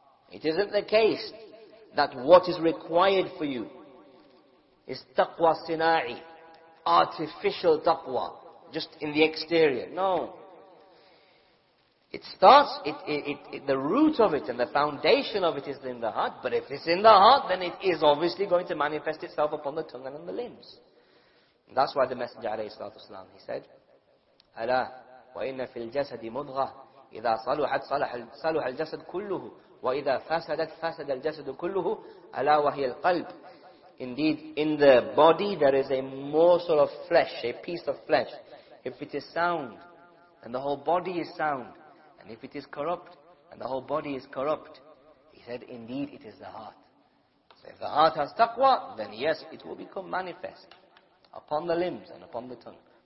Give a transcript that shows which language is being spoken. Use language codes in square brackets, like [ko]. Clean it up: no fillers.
[en] It isn't the case that what is required for you is taqwa sina'i, artificial taqwa, just in the exterior. No. The root of it and the foundation of it is in the heart, but if it's in the heart, then it is obviously going to manifest itself upon the tongue and on the limbs. And that's why the Messenger alayhi salatu wasalam, he said, [ar] أَلَا وَإِنَّ فِي الْجَسَدِ مُضْغَةً إِذَا صَلُحَتْ صَلُحَ الْجَسَدُ كُلُّهُ وَإِذَا فَسَدَتْ فَسَدَ الْجَسَدُ كُلُّهُ أَلَا وَهِيَ الْقَلْبُ. [en] Indeed, in the body there is a morsel of flesh, a piece of flesh. If it is sound, and the whole body is sound, and if it is corrupt, and the whole body is corrupt, he said, indeed it is the heart. So if the heart has taqwa, then yes, it will become manifest upon the limbs and upon the tongue.